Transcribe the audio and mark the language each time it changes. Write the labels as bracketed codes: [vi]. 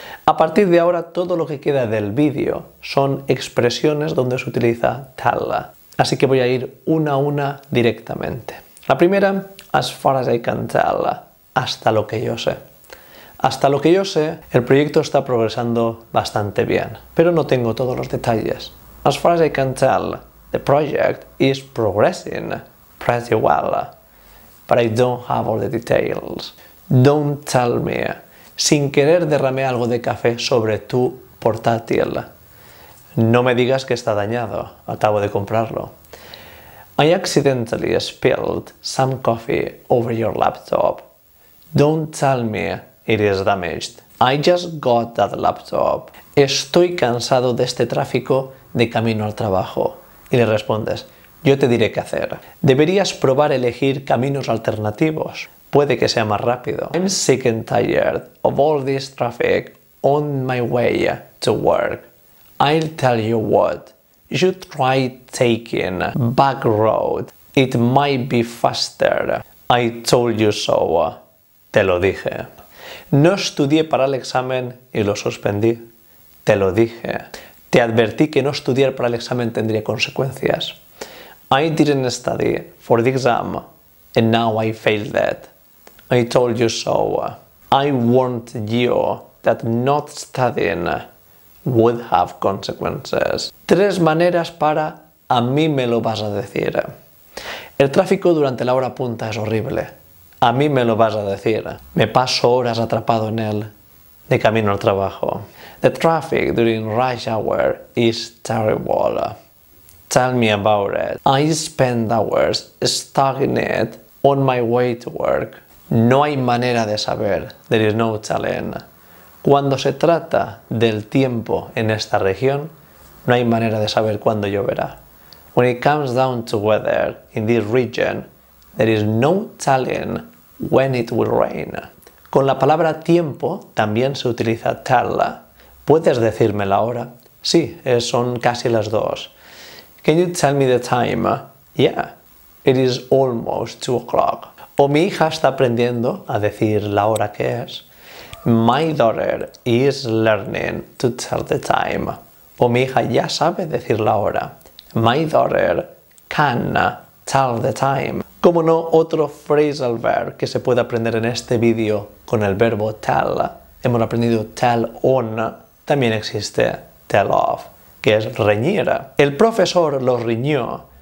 [es] A partir de ahora, todo lo que queda del vídeo son expresiones donde se utiliza tell. Así que voy a ir una a una directamente. La primera, [en] as far as I can tell, [es] hasta lo que yo sé. Hasta lo que yo sé, el proyecto está progresando bastante bien, pero no tengo todos los detalles. [en] As far as I can tell, the project is progressing pretty well, but I don't have all the details. Don't tell me. [es] Sin querer derramé algo de café sobre tu portátil. No me digas que está dañado, acabo de comprarlo. [en] I accidentally spilled some coffee over your laptop. Don't tell me. It is damaged. I just got that laptop. [es] Estoy cansado de este tráfico de camino al trabajo. Y le respondes, yo te diré qué hacer. Deberías probar elegir caminos alternativos. Puede que sea más rápido. [en] I'm sick and tired of all this traffic on my way to work. I'll tell you what. You try taking back road. It might be faster. I told you so. [es] Te lo dije. No estudié para el examen y lo suspendí. Te lo dije. Te advertí que no estudiar para el examen tendría consecuencias. [en] I didn't study for the exam and now I failed it. I told you so. I warned you that not studying would have consequences. [es] Tres maneras para a mí me lo vas a decir. El tráfico durante la hora punta es horrible. A mí me lo vas a decir. Me paso horas atrapado en él de camino al trabajo. [en] The traffic during rush hour is terrible. Tell me about it. I spend hours stuck in it on my way to work. [es] No hay manera de saber. [en] There is no telling. [es] Cuando se trata del tiempo en esta región, no hay manera de saber cuándo lloverá. [en] When it comes down to weather in this region, there is no telling when it will rain. [es] Con la palabra tiempo también se utiliza tell. ¿Puedes decirme la hora? Sí, son casi las 2. [en] Can you tell me the time? Yeah, it is almost 2:00. [es] O mi hija está aprendiendo a decir la hora que es. [en] My daughter is learning to tell the time. [es] O mi hija ya sabe decir la hora. [en] My daughter can tell the time. [es] Como no, otro phrasal verb que se puede aprender en este vídeo con el verbo tell. Hemos aprendido tell on. También existe tell of, que es reñir. El profesor los riñó